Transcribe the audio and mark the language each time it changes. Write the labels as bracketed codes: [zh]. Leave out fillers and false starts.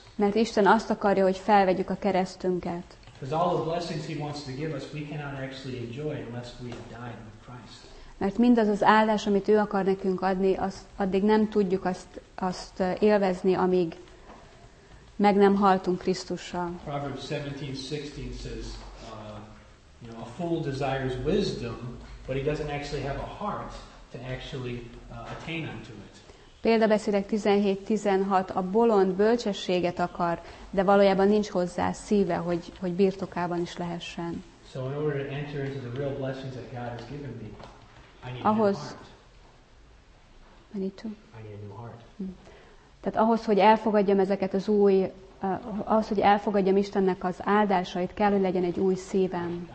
[hu] Mert Isten azt akarja, hogy felvegyük a keresztünket. [en] Because all the blessings he wants to give us, we cannot actually enjoy unless we have died with Christ. [hu] Mert mindaz az áldás, amit ő akar nekünk adni, azt addig nem tudjuk azt élvezni, amíg meg nem haltunk Krisztussal. [en] Proverbs 17:16 says, a fool desires wisdom, but he doesn't actually have a heart to actually attain unto it. [hu] Példabeszélek 17:16, a bolond bölcsességet akar, de valójában nincs hozzá szíve, hogy birtokában is lehessen. [en] So in order to enter into the real blessings that God has given me, I need I need a new heart. [hu] Tehát ahhoz, hogy elfogadjam ezeket az új, ahhoz, hogy elfogadjam Istennek az áldásait, kell, hogy legyen egy új szívem.